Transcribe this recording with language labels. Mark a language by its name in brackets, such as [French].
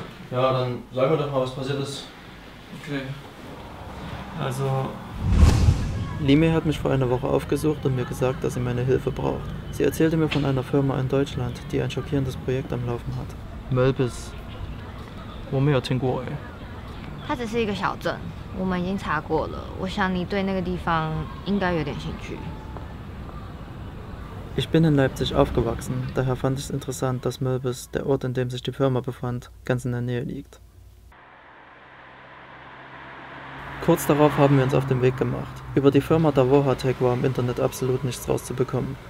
[German] Ja, dann sag mir doch mal, was passiert ist. Okay. Also, Limei hat mich vor einer Woche aufgesucht und mir gesagt, dass sie meine Hilfe braucht. Sie erzählte mir von einer Firma in Deutschland, die ein schockierendes Projekt am Laufen hat. [Chinese] Melbis. 我没有听过耶。它只是一个小镇， 我们已经查过了， 我想你对那个地方应该有点兴趣。 [German] Ich bin in Leipzig aufgewachsen, daher fand ich es interessant, dass Melbis, der Ort, in dem sich die Firma befand, ganz in der Nähe liegt. Kurz darauf haben wir uns auf den Weg gemacht. Über die Firma Davohatec war im Internet absolut nichts rauszubekommen.